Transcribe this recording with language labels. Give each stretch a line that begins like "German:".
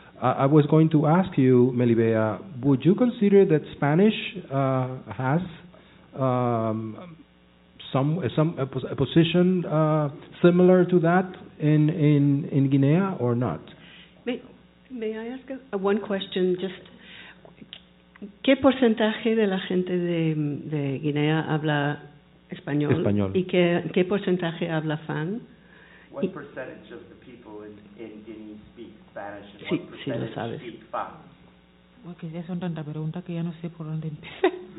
English: I was going to ask you, Melibea, would you consider that Spanish has a position similar to that in Guinea or not? May I ask one question?
Spanish: Just, ¿qué porcentaje de la gente de Guinea habla español? Español. ¿Y qué porcentaje habla Fang?
English: What percentage of the people in Guinea speak Spanish, and what percentage speak Fang?
Spanish: Okay, ya son tantas preguntas que ya no sé por dónde empezar.